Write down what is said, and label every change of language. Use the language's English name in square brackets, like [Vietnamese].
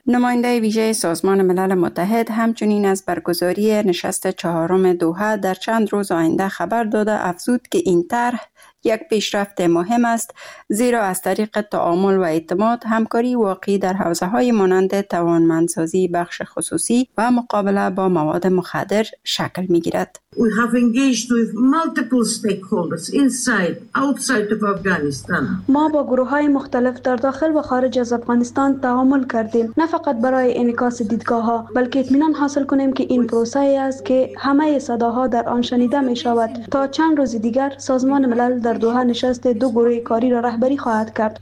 [Persian] نماینده ویژه سازمان ملل متحد همچنین از برگزاری نشست 4 دوحه در چند روز آینده خبر داده افزود که این طرح یک پیشرفت مهم است، زیرا از طریق تعامل و اعتماد همکاری واقعی در حوزه های مانند توانمندسازی بخش خصوصی و مقابله با مواد مخدر شکل می گیرد. [English] We have engaged with multiple stakeholders inside, outside of Afghanistan. [Persian] ما با گروه‌های مختلف در داخل و خارج از افغانستان تعامل کردیم. نه فقط برای انعکاس دیدگاه‌ها، بلکه اطمینان حاصل کنیم که این پروسه‌ای است که همه صداها در آن شنیده می‌شود. تا چند روز دیگر سازمان ملل در دوحه نشست دو گروه کاری را رهبری خواهد کرد.